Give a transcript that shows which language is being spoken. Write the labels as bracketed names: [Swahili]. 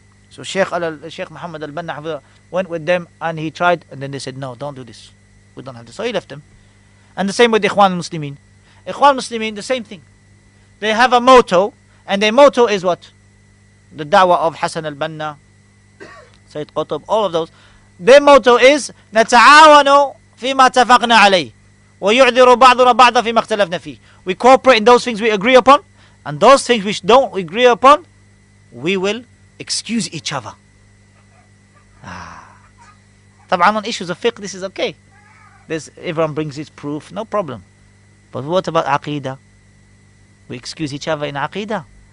[English] So Sheikh Muhammad al-Banna went with them and he tried, and then they said, no, don't do this. We don't have this. So he left them. And the same with Ikhwan al-Muslimin. Ikhwan al-Muslimin, the same thing. They have a motto, and their motto is what? The da'wah of Hassan al-Banna, Sayyid Qutb, all of those. Their motto is, [Arabic] نَتَعَاوَنُوا فِي مَا تَفَقْنَا عَلَيْهِ وَيُعْذِرُوا بَعْضُنَا بَعْضًا فِي مَا اخْتَلَفْنَا فِيهِ. [English] We cooperate in those things we agree upon, and those things which don't agree upon, we will excuse each other. Taba'an, on issues of fiqh, this is okay. Everyone brings its proof, no problem. But what about aqeedah? We excuse each other in aqeedah.